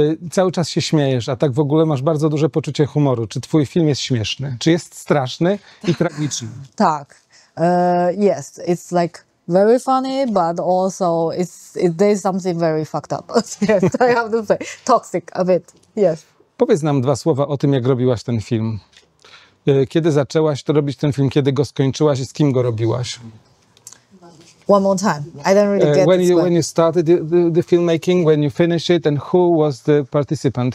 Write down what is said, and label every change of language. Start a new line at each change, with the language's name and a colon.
Polish: Cały czas się śmiejesz, a tak w ogóle masz bardzo duże poczucie humoru. Czy twój film jest śmieszny? Czy jest straszny i tragiczny?
English: Tak, yes, it's like... Very funny, but also there's something very fucked up. Yes, I have to say, toxic a bit. Yes.
Polish: Powiedz nam dwa słowa o tym, jak robiłaś ten film. Kiedy zaczęłaś to robić ten film? Kiedy go skończyłaś i z kim go robiłaś?
English: One more time. I don't really get when you when you started the filmmaking, when you finished it, and who was the participant?